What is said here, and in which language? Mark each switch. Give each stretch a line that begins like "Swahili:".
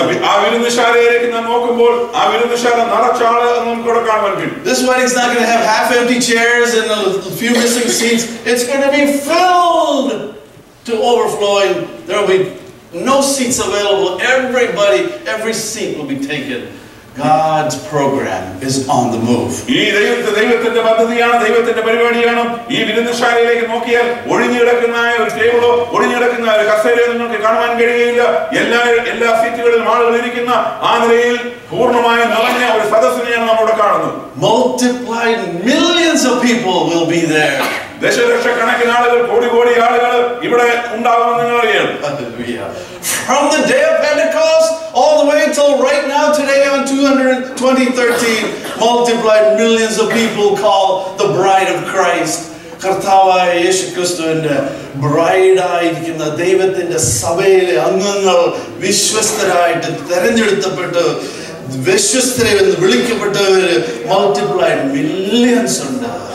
Malayalam: ആ വിരുന്നുശാലയിലേക്ക് നാം നോക്കുമ്പോൾ ആ വിരുന്നുശാല നിറച്ചാള് നമുക്കിവിടെ കാണാൻ കഴിയും.
English: This wedding is not going to have half empty chairs and a few missing seats. It's going to be filled to overflowing. There will be no seats available. Everybody, every seat will be taken. God's program is on the move.
Malayalam: ഈ ദൈവത്തിന്റെ പദ്ധതിയാണ്, ദൈവത്തിന്റെ പരിപാടിയാണ്. ഈ വിരുന്നുശാലയിലേക്ക് നോക്കിയാൽ ഒഴിഞ്ഞുകിടക്കുന്ന ഒരു ടേബിളോ ഒഴിഞ്ഞുകിടക്കുന്ന ഒരു കസേരയോ നിങ്ങൾക്ക് കാണാൻ കഴിയുകയില്ല. എല്ലാ സീറ്റുകളിലും ആളുകൾ ഇരിക്കുന്ന ആ നിലയിൽ പൂർണ്ണമായ നിറഞ്ഞ ഒരു സദസ്സിനെയാണ് നമ്മൾ ഇവിടെ കാണുന്നത്.
English: Multiplied millions of people will be there.
Malayalam: ദശലക്ഷക്കണക്കിന് ആളുകൾ, കോടി കോടി ആളുകൾ ഇവിടെ ഉണ്ടാകുമെന്ന് നിങ്ങൾ അറിയാം.
English: All the way till right now, today on 2013, multiplied millions of people call the bride of Christ.
Malayalam: കർത്താവായ യേശുക്രിസ്തുവിന്റെ ബ്രൈഡായിരിക്കുന്ന ദൈവത്തിന്റെ സഭയിലെ അംഗങ്ങൾ വിശ്വസ്തരായിട്ട് തെരഞ്ഞെടുത്തപ്പെട്ട് വിശ്വസ്തരെന്ന് വിളിക്കപ്പെട്ടവര് മൾട്ടിപ്ലൈഡ് മില്യൺസ് ഉണ്ട്.